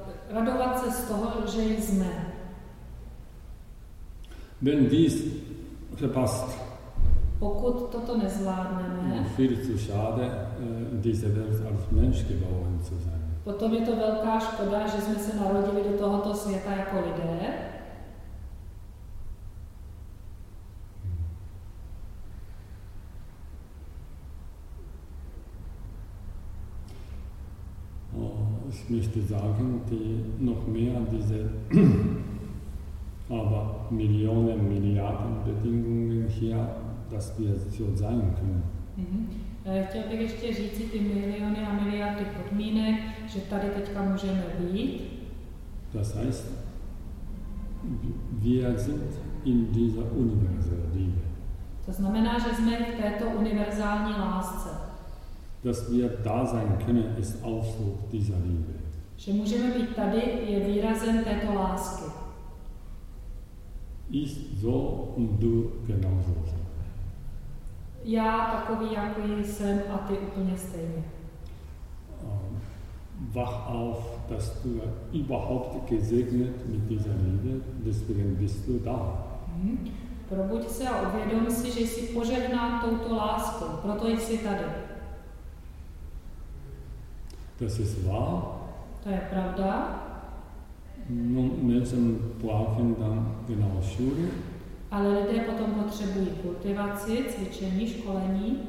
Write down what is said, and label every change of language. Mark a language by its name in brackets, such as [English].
[Czech] Radovat se z toho, že jsme. [German] Wenn dies verpasst, [Czech] pokud toto nezvládneme, [German] viel zu schade, diese Welt als Mensch geboren zu sein. [Czech] Potom je to velká škoda, že jsme se narodili do tohoto světa jako lidé. [German] Ich möchte sagen, die noch mehr diese aber Millionen, Milliarden Bedingungen hier, dass wir so sein können. [Czech] Chtěl bych ještě říci ty miliony a miliardy podmínek, že tady teďka můžeme být. [German] Das heißt, wir sind in dieser universellen Liebe. [Czech] To znamená, že jsme v této univerzální lásce. [German] Dass wir da sein können, ist Ausdruck dieser Liebe. [Czech] Že můžeme být tady, je výrazem této lásky. [German] Ich so und du genauso. [Czech] Já takový, jaký jsem, a ty úplně stejně. [German] Wach auf, dass du überhaupt gesegnet mit dieser Liebe, deswegen bist du da. [Czech] Probuď se a uvědom si, že jsi požehnán touto láskou, proto jsi tady. [German] Das ist wahr. [Czech] To je pravda. [German] Nun, Menschen brauchen dann genau Schule. [Czech] Ale lidé potom potřebují kultivaci, cvičení, školení,